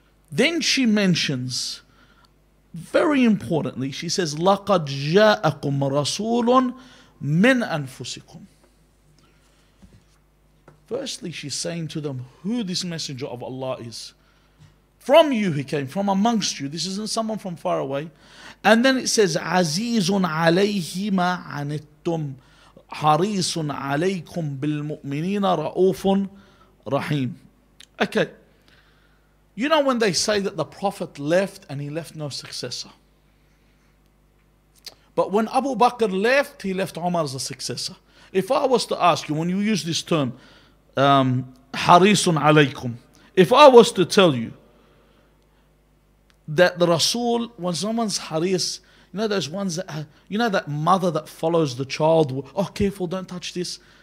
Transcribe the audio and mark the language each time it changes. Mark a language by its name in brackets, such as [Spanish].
[English] Then she mentions, very importantly, she says, [Arabic] لَقَدْ جَاءَكُمْ رَسُولٌ مِنْ أَنفُسِكُمْ. [English] Firstly, she's saying to them who this messenger of Allah is. From you he came, from amongst you. This isn't someone from far away. And then it says, [Arabic] عَزِيزٌ عَلَيْهِ مَا عَنِتُّمْ حَرِيصٌ عَلَيْكُمْ بِالْمُؤْمِنِينَ رَؤُوفٌ رَحِيمٌ. [English] Okay. You know when they say that the Prophet left and he left no successor. But when Abu Bakr left, he left Umar as a successor. If I was to ask you, when you use this term, [Arabic] حَرِيصٌ عَلَيْكُمْ, [English] if I was to tell you that the Rasul, when someone's haris, you know those ones that, you know that mother that follows the child, oh careful, don't touch this.